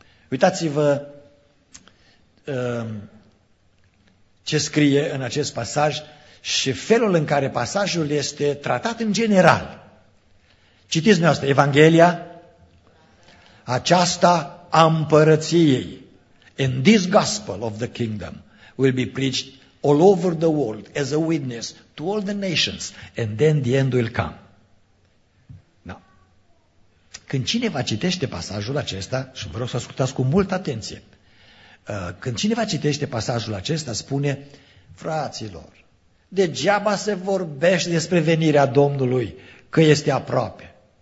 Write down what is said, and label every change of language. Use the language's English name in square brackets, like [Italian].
[Romanian] Uitați-vă ce scrie în acest pasaj și felul în care pasajul este tratat în general. Citiți dumneavoastră Evanghelia aceasta a împărăției. [English] And this gospel of the kingdom will be preached all over the world as a witness to all the nations and then the end will come. [Romanian] Când cineva citește pasajul acesta, și vă rog să ascultați cu multă atenție, când cineva citește pasajul acesta, spune, fraților, degeaba se vorbește despre venirea Domnului, că este aproape.